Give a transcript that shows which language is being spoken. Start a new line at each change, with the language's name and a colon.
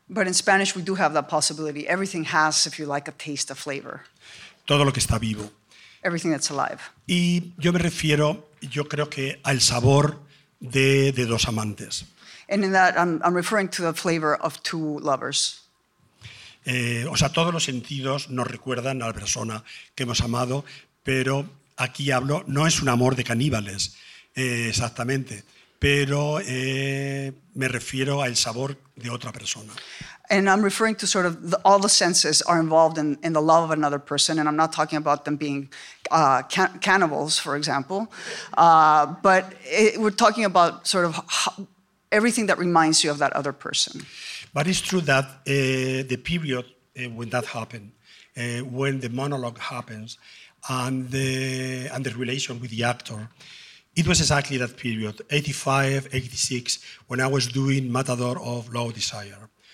English: But in Spanish, we do have that possibility. Everything has, if you like, a taste, a flavor.
Spanish: Todo lo que está vivo.
English: Everything that's alive.
Spanish: Y yo me refiero, yo creo que, al sabor de dos amantes.
English: And in that, I'm referring to the flavor of two lovers.
Spanish: O sea, todos los sentidos nos recuerdan a la persona que hemos amado, pero aquí hablo, no es un amor de caníbales, exactamente, pero me refiero al sabor de otra persona.
English: And I'm referring to sort of all the senses are involved in the love of another person, and I'm not talking about them being cannibals, for example, we're talking about sort of everything that reminds you of that other person. But it's true that the period when that happened, when the monologue happens, and the relation with the actor, it was exactly that period, 85, 86, when I was doing Matador of Low Desire.